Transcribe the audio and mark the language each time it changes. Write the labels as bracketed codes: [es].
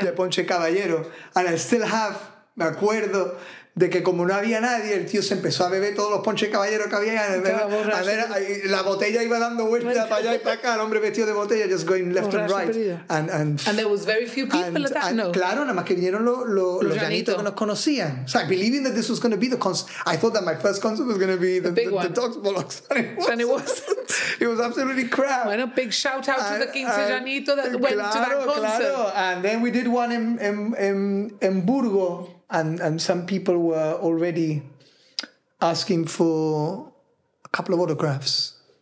[es] De Ponche Caballero. [en] And I still have, [es] me acuerdo, de que como no había nadie, el tío se empezó a beber todos los Ponche Caballero que había. La botella iba dando vueltas para allá y para acá, el hombre vestido de botella, [en] just going left and right. And there was very few people at that, and, no. [es] Claro, nada más que vinieron los llanitos que nos conocían. [en] So believing that this was going to be the concert, I thought that my first concert was going to be the Dogs Bollocks. And it wasn't. It was absolutely crap. [es] Bueno, [en] big shout out to the 15 Janito that went to that concert. [es] Claro. [en] And then we did one in Burgo, and some people were already asking for a couple of autographs.